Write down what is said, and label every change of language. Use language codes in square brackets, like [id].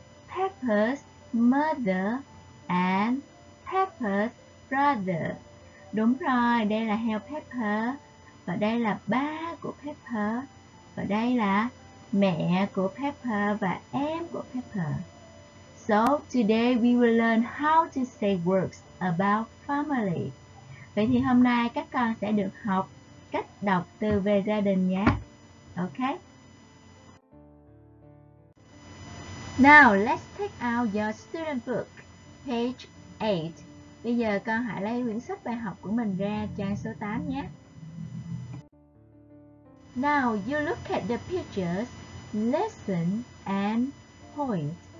[en] Pepper's mother. And Pepper's brother. [vi] Đúng rồi, đây là heo Pepper, và đây là ba của Pepper, và đây là mẹ của Pepper và em của Pepper. [en] So, today we will learn how to say words about family. [vi] Vậy thì hôm nay các con sẽ được học cách đọc từ về gia đình nhé. [en] Ok? Now, let's take out your student book, page 8. [vi] Bây giờ con hãy lấy quyển sách bài học của mình ra trang số 8 nhé. [en] Now you look at the pictures, listen and point.